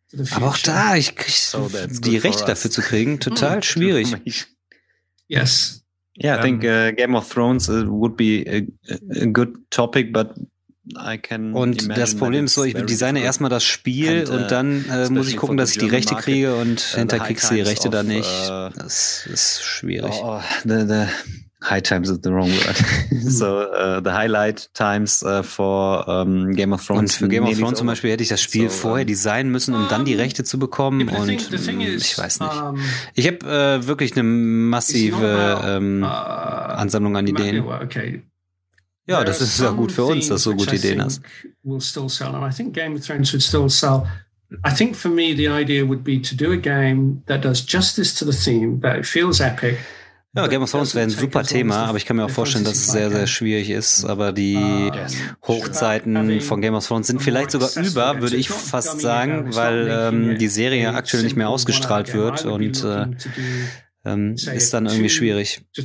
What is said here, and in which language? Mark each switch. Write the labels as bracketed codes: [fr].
[de] Aber auch da, ich krieg die Rechte dafür zu kriegen, total schwierig. [en] Yes. Yeah, I think Game of Thrones would be a good topic, but I can. [de] Und das Problem ist so, ich designe erstmal das Spiel und dann muss ich gucken, dass ich die Rechte kriege und hinterher kriegst du die Rechte dann nicht. Das ist schwierig. [en] High times is the wrong word. So the highlight times for Game of Thrones. [de] Und für Game of Thrones zum Beispiel hätte ich das Spiel vorher designen müssen, um dann die Rechte zu bekommen. Yeah, und ich weiß nicht. Ich habe wirklich eine massive Ansammlung an Ideen. [en] Okay. [de] Ja, das ist ja gut für uns, dass du so gute Ideen hast. [en] We'll still sell, and I think Game of Thrones would still sell. I think for me the idea would be to do a game that does justice to the theme, that it feels epic. [de] Ja, Game of Thrones wäre ein super Thema, aber ich kann mir auch vorstellen, dass es sehr, sehr schwierig ist. Aber die Hochzeiten von Game of Thrones sind vielleicht sogar über, würde ich fast sagen, weil die Serie aktuell nicht mehr ausgestrahlt wird und ist dann irgendwie schwierig.